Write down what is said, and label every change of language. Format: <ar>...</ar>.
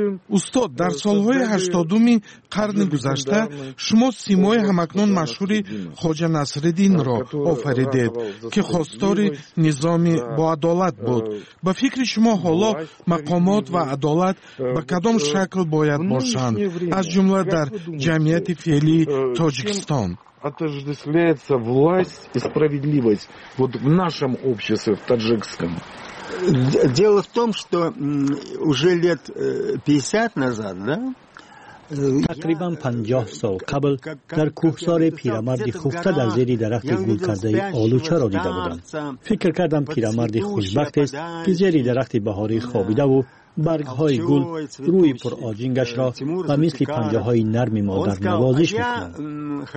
<fa>استاد، در سالهای 80 قرن گذشته شما سیمای همکنون مشهور خواجه نصرالدین را آفریدید که خواستار نظام با عدالت بود. به فکر شما حالا مقامات و عدالت به کدام شکل باید باشند، از جمله در جمعیت فعلی تاجیکستان؟</fa> <ru>отождествляется власть и справедливость вот в нашем обществе в таджикском. Дело в том, что уже лет 50 назад, да?</ru> <fa>تقریباً 50 سال قبل در کوهسار پیرمرد خفته در زیر درخت گل کرده آلوچه را دیده بودم. فکر کردم پیرمرد خوشبخت است که زیر درخت بهاری خوابیده و برگ های گل روی پر آجینگش را و مثل پنجه های نرم مادر نوازش میکنند.</fa>